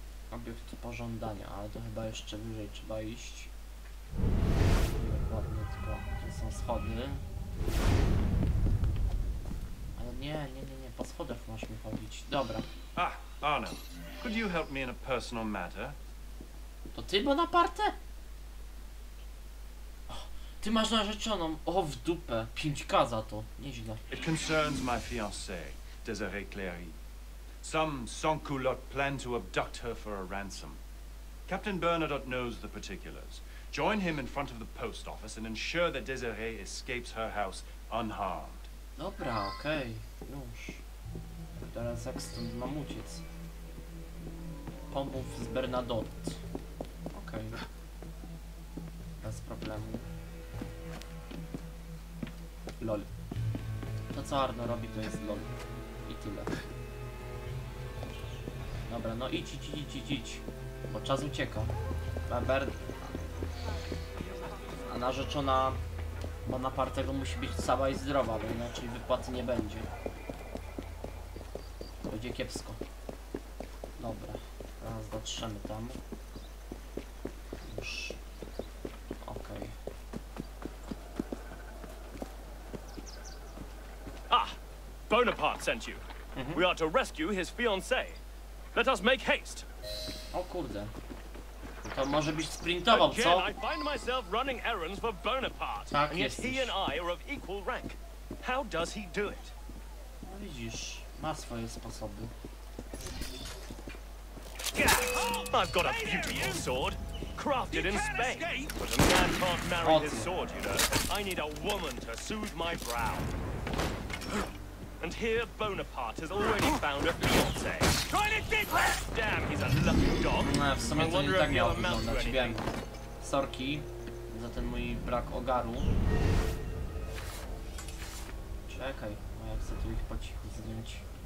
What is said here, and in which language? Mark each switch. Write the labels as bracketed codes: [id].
[pl] Obiekt pożądania, ale to chyba jeszcze wyżej trzeba iść. Dokładnie, tylko tu są schody. Ale nie, po schodach możemy chodzić. Dobra. [en] Ah, Arno, could you help me in a personal matter? [pl] To ty, Bonaparte? Ty masz narzeczoną. O, w dupę. 5K za to. Nieźle. [en] It concerns my fiancée, Desiree Clary. Some sans-culotte plan to abduct her for a ransom. Captain Bernadotte knows the particulars. Join him in front of the post office and ensure that Desiree escapes her house unharmed. [pl] Dobra, okej. Już. Teraz jak stąd mam uciec? Pomów z Bernadotte. Okej. Bez problemu. LOL. To co Arno robi, to jest LOL. I tyle. Dobra, no idź. Bo czas ucieka. A narzeczona Bonapartego musi być cała i zdrowa, bo inaczej wypłaty nie będzie. Będzie kiepsko. Dobra. Teraz dotrzemy tam. Już. [en] Bonaparte sent you. We are to rescue his fiancée. Let us make haste. [pl] O kurde. To może być sprintował, co? [en] I find myself running errands for Bonaparte. [pl] Tak, [en] and yet he and I are of equal rank. How does he do it? [pl] No widzisz, ma swoje sposoby. [en] I've got a beautiful sword, crafted in Spain. But a man can't marry his sword, you know. I need a woman to soothe my brow. And here Bonaparte has already found a fiance. Try to get her! Damn, he's a lucky dog. [pl] No, w sumie to nie tak miało wyglądać, wiem. Sorki za ten mój brak ogaru. Czekaj, a ja chcę tu ich po cichu zdjąć.